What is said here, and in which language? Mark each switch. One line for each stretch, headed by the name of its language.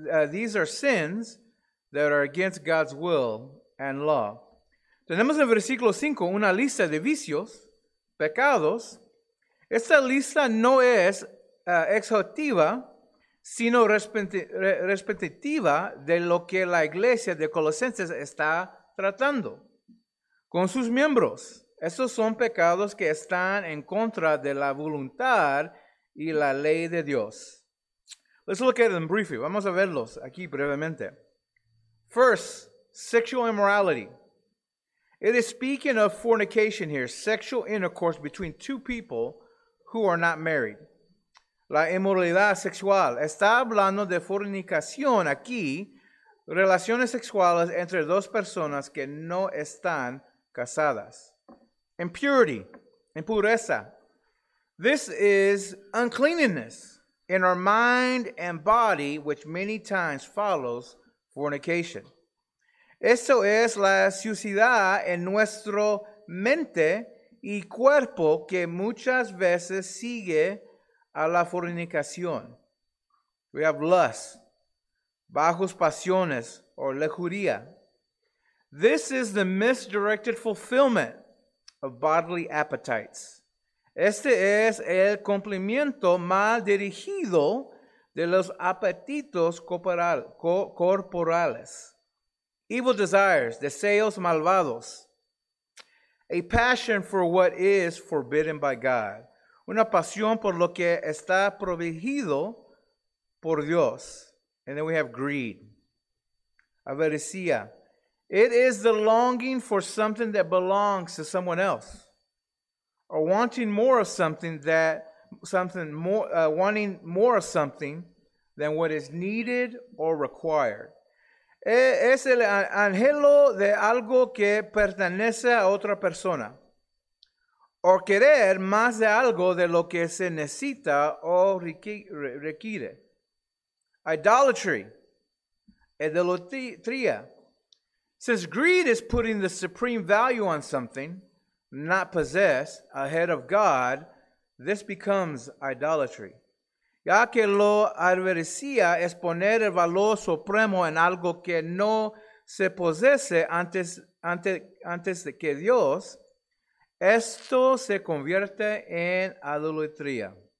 English: These are sins that are against God's will and law.
Spanish: Tenemos en versículo 5 una lista de vicios, pecados. Esta lista no es exhaustiva, sino respectiva de lo que la iglesia de Colosenses está tratando con sus miembros. Estos son pecados que están en contra de la voluntad y la ley de Dios.
English: Let's look at them briefly.
Spanish: Vamos a verlos aquí brevemente.
English: First, sexual immorality. It is speaking of fornication here, sexual intercourse between two people who are not married.
Spanish: La inmoralidad sexual. Está hablando de fornicación aquí, relaciones sexuales entre dos personas que no están casadas.
English: Impurity, impureza. This is uncleanness in our mind and body, which many times follows fornication.
Spanish: Esto es la suciedad en nuestro mente y cuerpo que muchas veces sigue a la fornicación.
English: We have lust,
Spanish: bajos pasiones,
English: or lujuria. This is the misdirected fulfillment of bodily appetites.
Spanish: Este es el cumplimiento mal dirigido de los apetitos corporales,
English: evil desires,
Spanish: deseos malvados,
English: a passion for what is forbidden by God,
Spanish: una pasión por lo que está prohibido por Dios.
English: And then we have greed, avaricia. It is the longing for something that belongs to someone else, or wanting more of something that wanting more of something than what is needed or required.
Spanish: Es el anhelo de algo que pertenece a otra persona, o querer más de algo de lo que se necesita o requiere.
English: Idolatry, idolatría. Since greed is putting the supreme value on something not possessed ahead of God, this becomes idolatry.
Spanish: Ya que lo avaricia es poner el valor supremo en algo que no se posee antes de que Dios, esto se convierte en idolatría.